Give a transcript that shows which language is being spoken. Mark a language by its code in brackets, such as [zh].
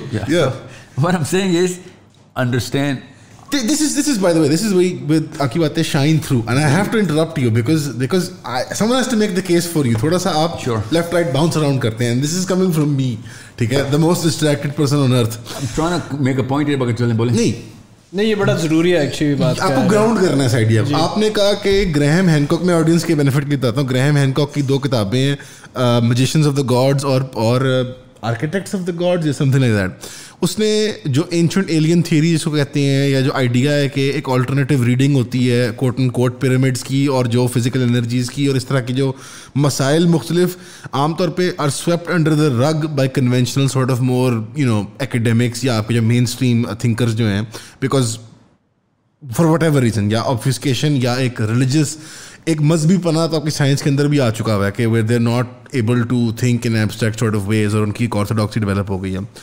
[en] یہ what I am seeing is understand. This is by the way, this is with Aki Baatein shine through, and I have to interrupt you because someone has to make the case for you. [ur] Thoda sa aap [en] left right bounce around [ur] karte hain, [en] and this is coming from me, [ur] theek hai, [en] the most distracted person on earth. I'm trying to make a point here, but [ur] chale bole nahi نہیں, یہ بڑا ضروری ہے actually بات. آپ کو ground کرنا ہے اس آئیڈیا. آپ نے کہا کہ گرہم ہینکاک, میں آڈینس کے بینیفٹ کے لیے بتاتا ہوں, گرہم ہینکاک کی دو کتابیں ہیں, میجیشنز آف دا گاڈز اور آرکیٹیکٹس آف دا گاڈز یا [en] Something like that. [ur] اس نے جو اینشنٹ ایلین تھیوری جس کو کہتے ہیں, یا جو آئیڈیا ہے کہ ایک آلٹرنیٹیو ریڈنگ ہوتی ہے کوٹ ان کوٹ پیرامڈس کی, اور جو فزیکل انرجیز کی, اور اس طرح کی جو مسائل مختلف عام طور پہ [en] are swept under the rug by conventional sort of more you know academics, [ur] یا آپ کے جو مین اسٹریم تھنکرز جو ہیں, [en] because for whatever reason, [ur] یا آبفیسکیشن, یا ایک ریلیجیس, ایک مذہبی پناہ تو آپ کی سائنس کے اندر بھی آ چکا ہوا ہے کہ [en] where they are not able to think in abstract sort of ways, [ur] اور ان کی ایک آرتھوڈاکسی ڈیولپ ہو گئی ہے.